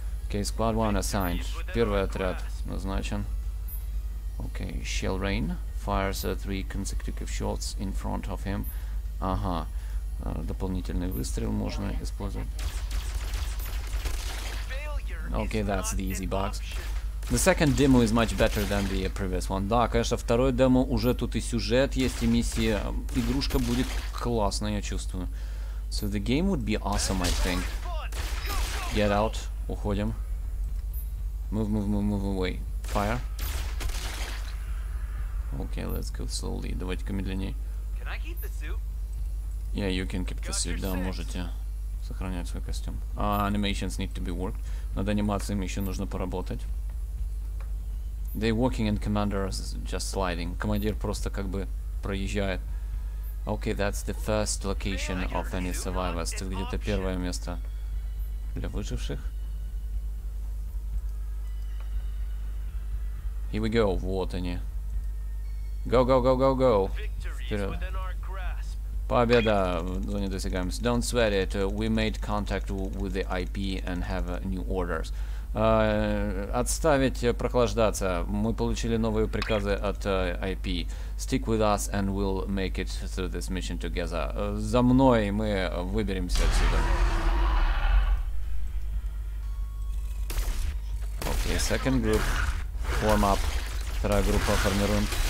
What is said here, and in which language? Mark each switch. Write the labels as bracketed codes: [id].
[en] Okay, squad one assigned. [ru] Первый отряд назначен. [en] Okay, shell rain. Fires three consecutive shots in front of him. Ага. [ru] Дополнительный выстрел можно использовать. [en] Okay, that's the easy box. The second demo is much better than the previous one. [ru] Да, конечно, второе демо уже тут и сюжет есть, и миссия. Игрушка будет классная, я чувствую. [en] So the game would be awesome, I think. Get out. [ru] Уходим. [en] Move, move, move, move away. Fire. Okay, let's go slowly. [ru] Давайте-ка медленнее. [en] Can I keep the suit? Yeah, you can keep the suit. [ru] Да, можете сохранять свой костюм. [en] Animations need to be worked. [ru] Над анимациями еще нужно поработать. [en] They're walking and commander is just sliding. [ru] Командир просто как бы проезжает. [en] Okay, that's the first location of any survivors. [ru] Это где-то первое место для выживших. [en] Here we go. [ru] Вот они. [en] Go, go, go, go, go. [ru] Вперед. Победа в зоне досягаемости. [en] Don't sweat it. We made contact with the IP and have new orders. [ru] Отставить прохлаждаться. Мы получили новые приказы от IP. [en] Stick with us and we'll make it through this mission together. [ru] За мной мы выберемся отсюда. [en] Okay, second group. Form up. [ru] Вторая группа, формируем.